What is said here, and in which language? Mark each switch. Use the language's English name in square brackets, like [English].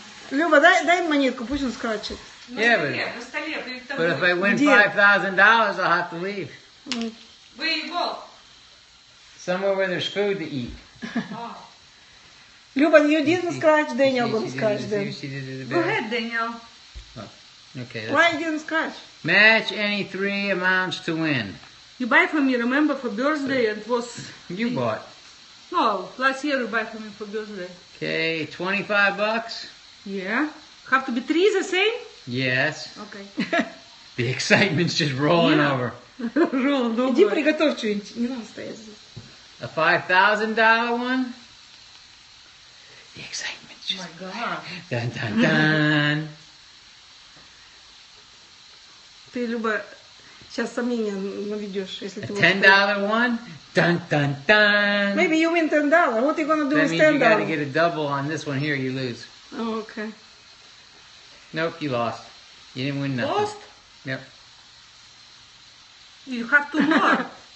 [Russian] Люба, дай монетку, пусть он скратчит. [English] Yeah, but if I win $5,000, I'll have to leave. Where you go? Somewhere where there's food to eat. Люба, you didn't scratch. Daniel will scratch then. Go ahead, Daniel. Okay. Why you didn't scratch? Match any three amounts to win. You buy for me, remember, for birthday, it was... You bought. No, last year you buy for me for birthday. Okay, $25? Yeah. Have to be three the same? Yes. Okay. The excitement's just rolling over. Rolling over. [Russian] Иди приготовь что-нибудь, не надо стоять здесь. [English] A $5,000 one? The excitement's just... Oh my God. Dun, dun, dun. [Russian] Ты, Люба... Сейчас сомнения наведешь, если ты... [English] $10 one? Dun, dun, dun. Maybe you win $10. What are you going to do that with $10? That means you got to get a double on this one here, you lose. Oh, okay. Nope, you lost. You didn't win nothing. Lost? Yep. You have two more.